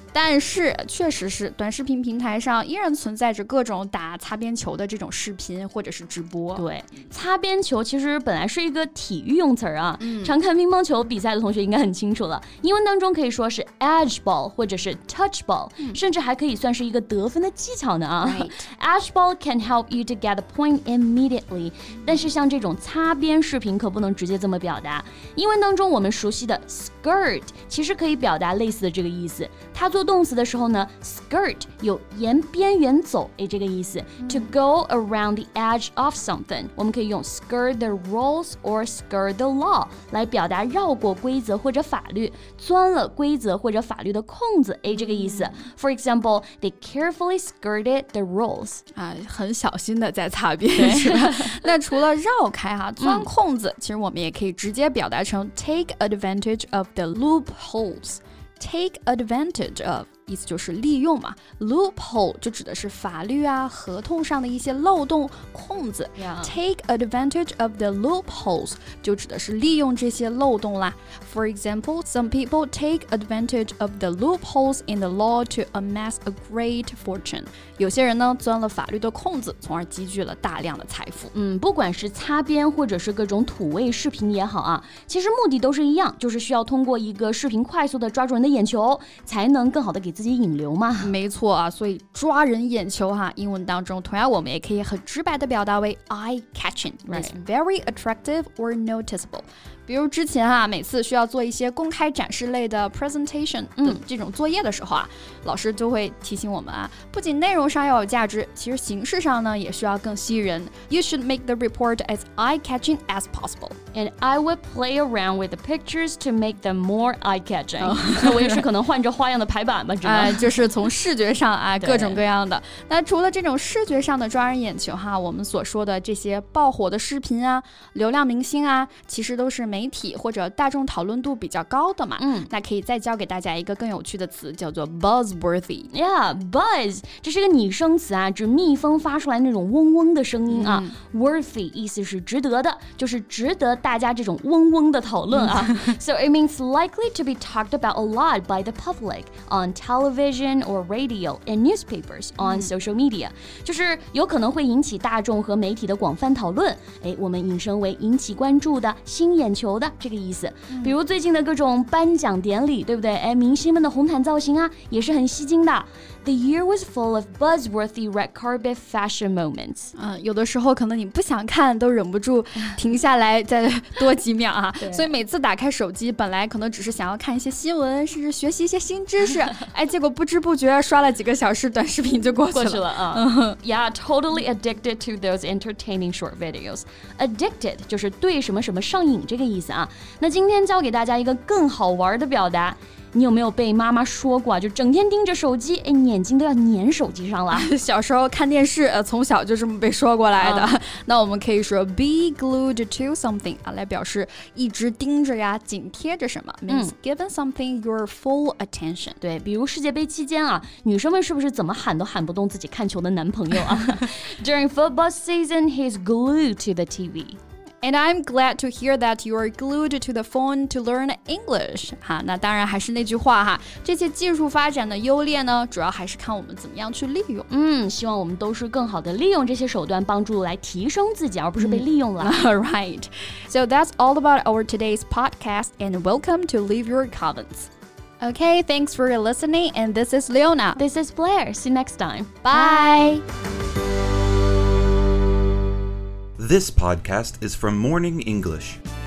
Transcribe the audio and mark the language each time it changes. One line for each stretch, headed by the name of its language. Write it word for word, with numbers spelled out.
Chinese: 但是确实是短视频平台上依然存在着各种打擦边球的这种视频或者是直播。对，擦边球其实本来是一个体育用词啊、嗯、常看乒乓球比赛的同学应该很清楚了，英文当中可以说是 edge ball 或者是 touch ball、嗯、甚至还可以算是一个得分的技巧呢啊。
English: Right. Edge ball can help you to get a point immediately，
Chinese: 但是像这种擦边视频可不能直接这么表达。英文当中我们熟悉的 skirt 其实可以表达类似的这个意思，它做动词的时候呢 skirt 有沿边缘走这个意思、嗯、
English: to go around the edge of something
Chinese: 我们可以用
English: skirt the rules or skirt the law
Chinese: 来表达绕过规则或者法律，钻了规则或者法律的空子这个意思、
English: 嗯、For example, they carefully skirted the rules
Chinese: 啊，很小心的在擦边是吧？那除了绕开哈、啊、钻空子、嗯、其实我们也可以直接表达成 take advantage of the loopholes。 Take advantage of 意思就是利用嘛 Loophole 就指的是法律啊合同上的一些漏洞空子、
English: yeah.
Chinese: Take advantage of the loopholes 就指的是利用这些漏洞啦。
English: For example, some people take advantage of the loopholes in the law to amass a great fortune.
Chinese: 有些人呢钻了法律的空子，从而积聚了大量的财富。嗯，不管是擦边或者是各种土味视频也好啊，其实目的都是一样，就是需要通过一个视频快速的抓住人的眼球，才能更好的给自己引流嘛。没错啊，所以抓人眼球哈，英文当中同样我们也可以很直白的表达为 eye catching,
English: right. very attractive or noticeable。
Chinese: 比如之前啊，每次需要做一些公开展示类的 presentation 嗯，这种作业的时候啊，老师就会提醒我们啊，不仅内容上要有价值，其实形式上呢也需要更吸引人。
English: You should make the report as eye-catching as possible. And I would play around with the pictures to make them more eye-catching.
Chinese: 那我也是可能换着花样的排版吧，啊、呃，就是从视觉上啊，各种各样的。那除了这种视觉上的抓人眼球哈，我们所说的这些爆火的视频啊、流量明星啊，其实都是没。媒体或者大众讨论度比较高的嘛、嗯、那可以再教给大家一个更有趣的词，叫做 buzzworthy。 Yeah, buzz 这是一个拟声词啊，指蜜蜂发出来那种嗡嗡的声音啊、嗯、
English: worthy
Chinese: 意思是值得的，就是值得大家这种嗡嗡的讨论啊、
English: 嗯、So it means likely to be talked about a lot by the public on television or radio and newspapers on、嗯、 social media，
Chinese: 就是有可能会引起大众和媒体的广泛讨论，诶我们引申为引起关注的新眼球的这个意思。比如最近的各种颁奖典礼，对不对？哎，明星们的红毯造型啊，也是很吸睛的。
English: The year was full of buzzworthy red carpet fashion moments.
Chinese: 嗯，有的时候可能你不想看，都忍不住停下来再多几秒啊。所以每次打开手机，本来可能只是想要看一些新闻，甚至学习一些新知识，哎，结果不知不觉刷了几个小时短视频就过去了。过去了啊。
English: Yeah, totally addicted to those entertaining short videos.
Chinese: Addicted 就是对什么什么上瘾这个意思啊。那今天教给大家一个更好玩的表达。你有没有被妈妈说过啊？就整天盯着手机，哎，眼睛都要粘手机上了。小时候看电视，呃，从小就这么被说过来的。嗯、那我们可以说 be glued to something 啊，来表示一直盯着呀，紧贴着什么。
English: Means、嗯、 given something your full attention。
Chinese: 对，比如世界杯期间啊，女生们是不是怎么喊都喊不动自己看球的男朋友啊 ？
English: During football season, he's glued to the T V. And I'm glad to hear that you are glued to the phone to learn English.
Chinese: 哈，那当然还是那句话哈，这些技术发展的优劣呢，主要还是看我们怎么样去利用。嗯，希望我们都是更好的利用这些手段，帮助来提升自己，而不是被利用了。
English: All right. So that's all about our today's podcast, and welcome to Leave Your Comments. Okay, thanks for listening. And this is Leona. This is Blair. See you next time. Bye. This podcast is from Morning English.